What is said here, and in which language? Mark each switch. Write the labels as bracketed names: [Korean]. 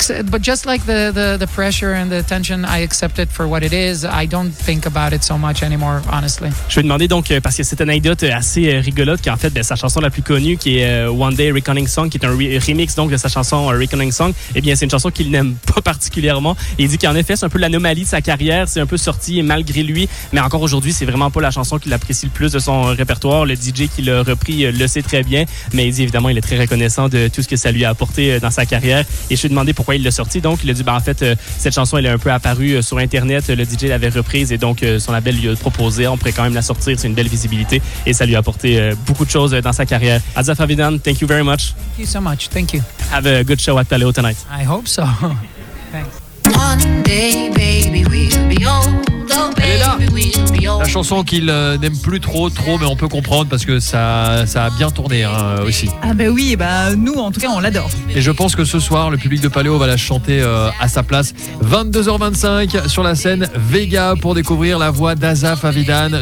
[English] But just like the pressure and the tension, I accept it for what it is. I don't think about it so much anymore, honestly. [French] Je vais demander donc, parce que cette anecdote assez rigolote, qui en fait, sa chanson la plus connue, qui est One Day Reckoning Song, qui est un remix donc de sa chanson Reckoning Song, eh bien, c'est une chanson qu'il n'aime pas particulièrement. Il dit qu'en effet, c'est un peu l'anomalie de sa carrière, c'est un peu sorti malgré lui, mais encore aujourd'hui, c'est vraiment pas la chanson qu'il apprécie le plus de son répertoire. Le DJ qui l'a repris le sait très bien, mais il dit évidemment, il est très reconnaissant de tout ce que ça lui a apporté dans sa carrière. Et je lui ai demandé pourquoi il l'a sorti. Donc, il a dit, cette chanson, elle est un peu apparue sur Internet. Le DJ l'avait reprise et donc son label lui a proposé. On pourrait quand même la sortir. C'est une belle visibilité et ça lui a apporté beaucoup de choses dans sa carrière. [English] Azaf Avidan, thank you very much. Thank you so much. Thank you. Have a good show at Paléo tonight. I hope so. Thanks. One day, baby, we'll be old. [French] Elle est là. La chanson qu'il n'aime plus trop, mais on peut comprendre parce que ça a bien tourné aussi. Ah ben oui, nous en tout cas on l'adore. Et je pense que ce soir le public de Paléo va la chanter à sa place. 22h25 sur la scène Vega pour découvrir la voix d'Azaf Avidan.